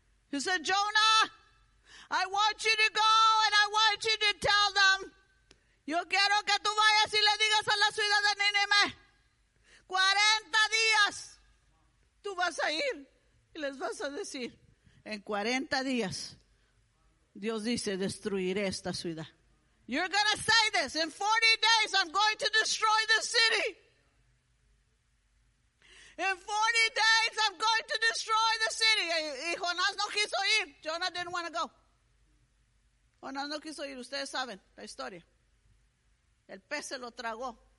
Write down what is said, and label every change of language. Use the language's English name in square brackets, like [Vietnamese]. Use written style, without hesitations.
[English] He said, Jonah, I want you to go and I want you to tell them. [Spanish] Yo quiero que tú vayas y le digas a la ciudad de Nínive. 40 días tú vas a ir y les vas a decir, en 40 días Dios dice, destruiré esta ciudad. [English] You're going to say this, in 40 days I'm going to destroy the city. In 40 days I'm going to destroy the city. [Spanish] Y Jonás no quiso ir. [English] Jonah didn't want to go. [Spanish] Jonás no quiso ir. Ustedes saben la historia. El pez se lo tragó.